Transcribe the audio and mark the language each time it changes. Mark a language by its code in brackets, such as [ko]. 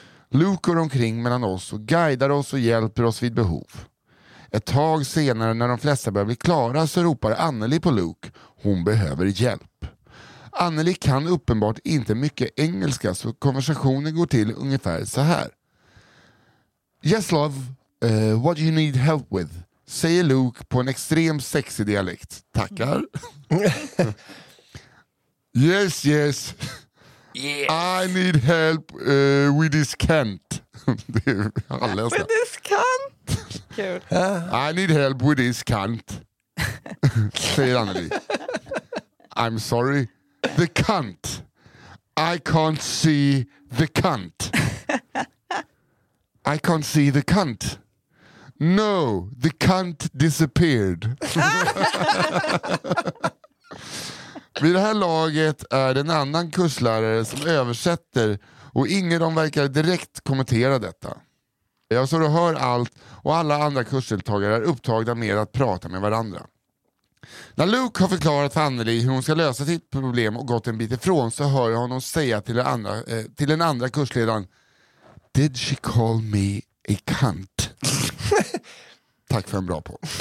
[sv] Luke går omkring mellan oss och guidar oss och hjälper oss vid behov. Ett tag senare när de flesta börjar bli klara så ropar Anneli på Luke. Hon behöver hjälp. Anneli kan uppenbart inte mycket engelska så konversationen går till ungefär så här. [en] Yes love, what do you need help with? [sv] Säger Luke på en extrem sexy dialekt. Tackar. [en] Yes, yes. Yeah. I need help with this cant. With this cant? I need help with this cant. [sv] Säger Anneli. [en] I'm sorry. The cunt. I can't see the cunt. I can't see the cunt. No, the cunt disappeared. [sv] Vid det här laget är det en annan kurslärare som översätter och ingen av dem verkar direkt kommentera detta. Jag står och hör allt och alla andra kursdeltagare är upptagna med att prata med varandra. När Luke har förklarat för Anneli hur hon ska lösa sitt problem och gått en bit ifrån så hör jag honom säga till den andra kursledaren: [en] Did she call me a cunt? [sv] Tack för en bra på.